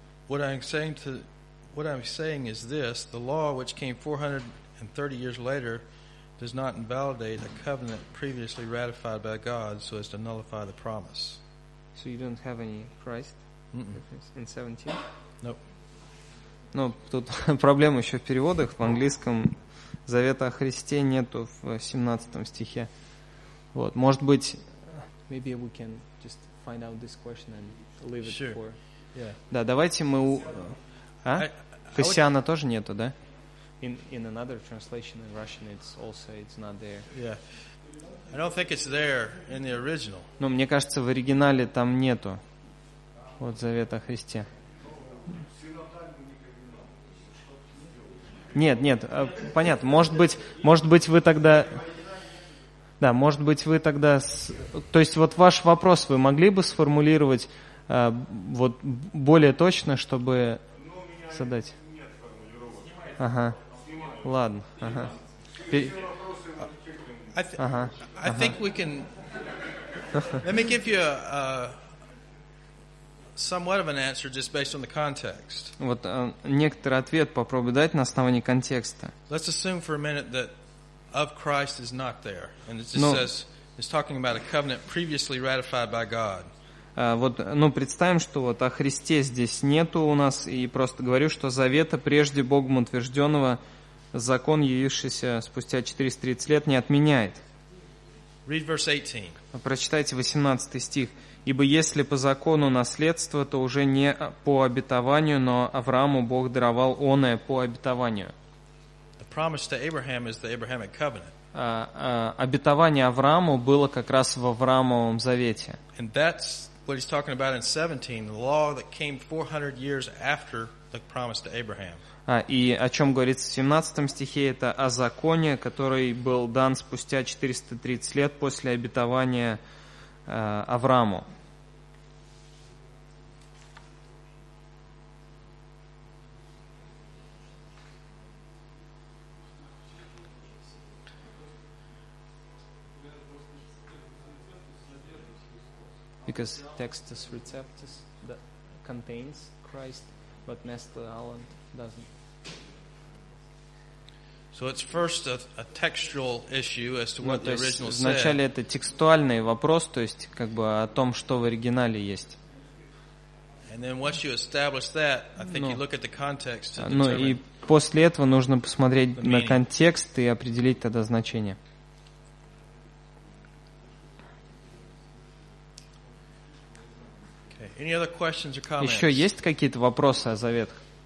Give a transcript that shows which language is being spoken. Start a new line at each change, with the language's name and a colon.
English: 3:17. What I'm saying is this, the law which came 430 years later does not invalidate a covenant previously ratified by God so as to nullify the promise. So you don't have any Christ? Mm-mm. In 17? Nope.
Russian: Но тут проблема еще в переводах. В английском завета о Христе нету в 17 стихе. Вот, может быть...
English: Maybe we can just find out this question and leave it sure. For... Yeah.
Russian: Да, давайте мы... А? Христиана
English: would...
Russian: тоже нету, да?
English: In another translation in Russian, it's also, it's not there. Yeah. I don't think it's there in the original.
Russian: Но мне кажется, в оригинале там нету вот завета о Христе. Нет, нет, понятно. Может быть, вы тогда... Да, может быть, вы тогда... То есть, вот ваш вопрос вы могли бы сформулировать вот более точно, чтобы задать? Нет формулировок. Ага. Ладно.
English: I think we can... Let me give you a somewhat of an answer just based on the context.
Russian: Вот некоторый ответ попробую дать на основании контекста.
English: Let's assume for a minute that of Christ is not there. And it just says, it's talking about a covenant previously ratified by God.
Russian: Вот, ну, представим, что вот о Христе здесь нету у нас, и просто говорю, что завета прежде Богом утвержденного, закон, явившийся спустя 430 лет, не отменяет.
English: Read verse 18.
Russian: Прочитайте 18 стих. Ибо если по закону наследство, то уже не по обетованию, но Аврааму Бог даровал оное по обетованию.
English: The promise to Abraham is the Abrahamic covenant.
Russian: Обетование Аврааму было как раз в Авраамовом завете.
English: And that's what he's talking about in 17, the law that came 400 years after the promise to Abraham.
Russian: И о чем говорится в 17 стихе, это о законе, который был дан спустя 430 лет после обетования Аврааму.
English: Because Textus Receptus that contains Christ, but Nestle Aland doesn't. So it's first a textual issue as to what the original said.
Russian: Вначале это текстуальный вопрос, то есть как бы о том, что в оригинале есть.
English: And then once you establish that, I think you look at the context.
Russian: Ну и после этого нужно посмотреть на контекст и определить тогда значение.
English: Okay. Any other questions or comments?
Russian: Еще есть какие-то вопросы о заветах?